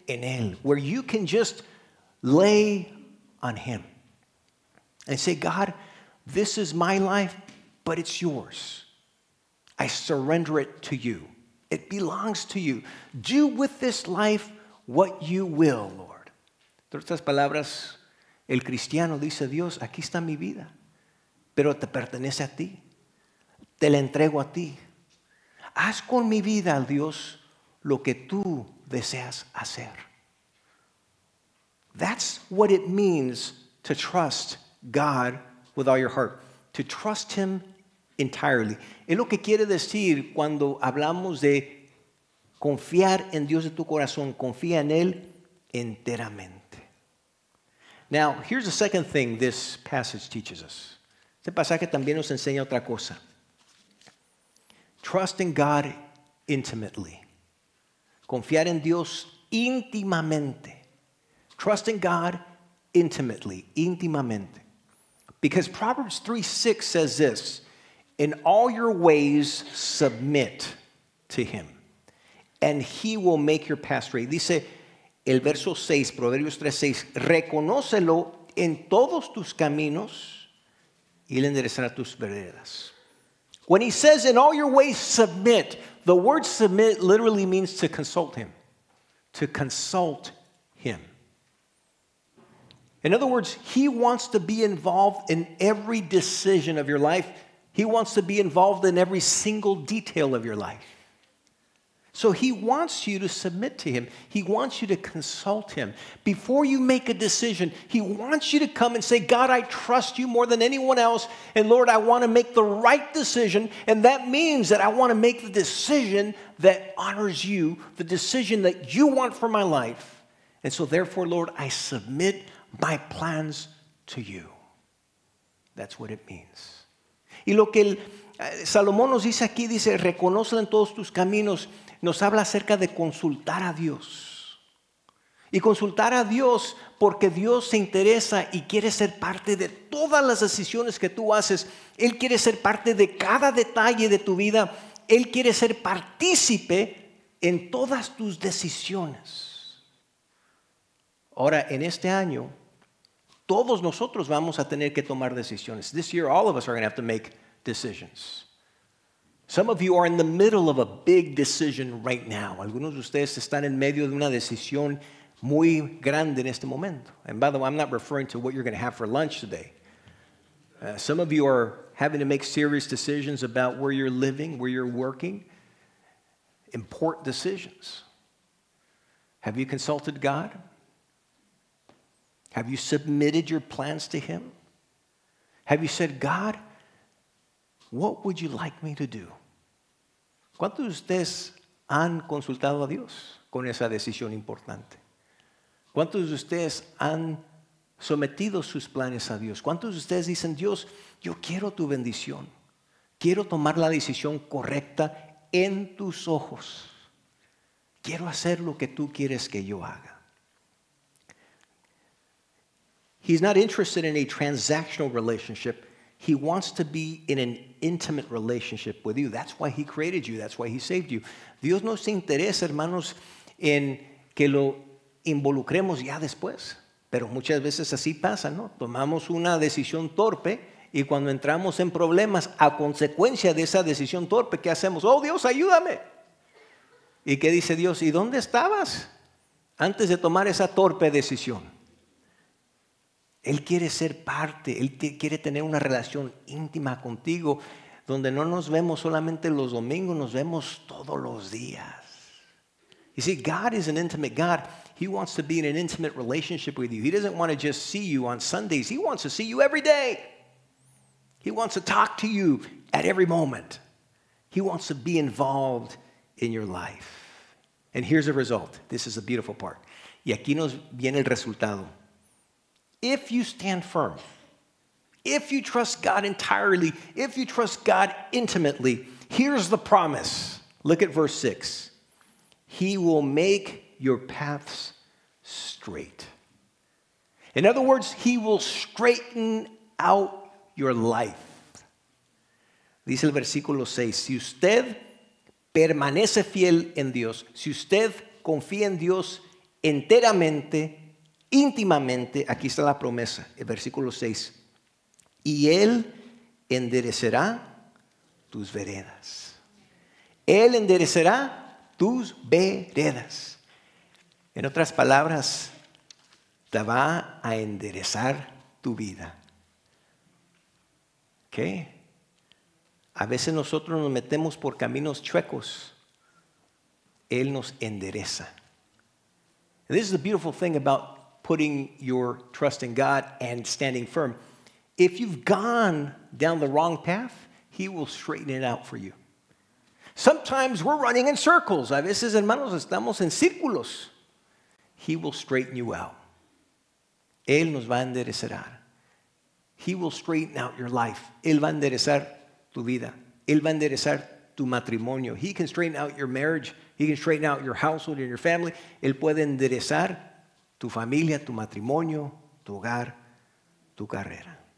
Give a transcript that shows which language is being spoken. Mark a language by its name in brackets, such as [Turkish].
[Spanish] en él, [English] where you can just lay on him and say, God, this is my life, but it's yours. I surrender it to you. It belongs to you. Do with this life what you will, Lord. [Spanish] En otras palabras, el cristiano dice, Dios, aquí está mi vida, pero te pertenece a ti. Te la entrego a ti. Haz con mi vida, Dios, lo que tú deseas hacer. [English] That's what it means to trust God with all your heart. To trust him entirely. [Spanish] Es lo que quiere decir cuando hablamos de confiar en Dios de tu corazón. Confía en él enteramente. [English] Now, here's the second thing this passage teaches us. [Spanish] Este pasaje también nos enseña otra cosa. [English] Trusting God intimately. [Spanish] Confiar en Dios íntimamente. [English] Trusting God intimately. [Spanish] Íntimamente. [English] Because Proverbs 3:6 says this, in all your ways submit to him, and he will make your path straight. [Spanish] Dice el verso 6, Proverbios 3:6, reconócelo en todos tus caminos y él enderezará tus veredas. [English] When he says, in all your ways, submit, the word submit literally means to consult him. To consult him. In other words, he wants to be involved in every decision of your life. He wants to be involved in every single detail of your life. So he wants you to submit to him. He wants you to consult him. Before you make a decision, he wants you to come and say, God, I trust you more than anyone else. And Lord, I want to make the right decision. And that means that I want to make the decision that honors you, the decision that you want for my life. And so therefore, Lord, I submit my plans to you. That's what it means. [Spanish] Y lo que Salomón nos dice aquí, dice, reconócelo en todos tus caminos. Nos habla acerca de consultar a Dios. Y consultar a Dios porque Dios se interesa y quiere ser parte de todas las decisiones que tú haces. Él quiere ser parte de cada detalle de tu vida. Él quiere ser partícipe en todas tus decisiones. Ahora, en este año, todos nosotros vamos a tener que tomar decisiones. [English] This year, all of us are going to have to make decisions. Some of you are in the middle of a big decision right now. [Spanish] Algunos de ustedes están en medio de una decisión muy grande en este momento. [English] And by the way, I'm not referring to what you're going to have for lunch today. Some of you are having to make serious decisions about where you're living, where you're working. Important decisions. Have you consulted God? Have you submitted your plans to him? Have you said, God, what would you like me to do? [Spanish] ¿Cuántos de ustedes han consultado a Dios con esa decisión importante? ¿Cuántos de ustedes han sometido sus planes a Dios? ¿Cuántos de ustedes dicen, Dios, yo quiero tu bendición? Quiero tomar la decisión correcta en tus ojos. Quiero hacer lo que tú quieres que yo haga. [English] He's not interested in a transactional relationship. He wants to be in an intimate relationship with you. That's why he created you. That's why he saved you. [Spanish] Dios no se interesa, hermanos, en que lo involucremos ya después. Pero muchas veces así pasa, ¿no? Tomamos una decisión torpe y cuando entramos en problemas a consecuencia de esa decisión torpe, ¿qué hacemos? Oh, Dios, ayúdame. ¿Y qué dice Dios? ¿Y dónde estabas antes de tomar esa torpe decisión? Él quiere ser parte, Él quiere tener una relación íntima contigo, donde no nos vemos solamente los domingos, nos vemos todos los días. [English] You see, God is an intimate God. He wants to be in an intimate relationship with you. He doesn't want to just see you on Sundays. He wants to see you every day. He wants to talk to you at every moment. He wants to be involved in your life. And here's the result. This is the beautiful part. [Spanish] Y aquí nos viene el resultado. [English] If you stand firm, if you trust God entirely, if you trust God intimately, here's the promise. Look at verse 6. He will make your paths straight. In other words, he will straighten out your life. [Spanish] Dice el versículo 6. Si usted permanece fiel en Dios, si usted confía en Dios enteramente, íntimamente, aquí está la promesa, el versículo 6. Y Él enderecerá tus veredas. Él enderecerá tus veredas. En otras palabras, te va a enderezar tu vida. ¿Qué? A veces nosotros nos metemos por caminos chuecos. Él nos endereza. [English] And this is the beautiful thing about putting your trust in God and standing firm. If you've gone down the wrong path, He will straighten it out for you. Sometimes we're running in circles. [Spanish] A veces, hermanos, estamos en círculos. [English] He will straighten you out. [Spanish] Él nos va a enderezar. [English] He will straighten out your life. [Spanish] Él va a enderezar tu vida. Él va a enderezar tu matrimonio. [English] He can straighten out your marriage. He can straighten out your household and your family. [Spanish] Él puede enderezar tu familia, tu matrimonio, tu hogar, tu carrera.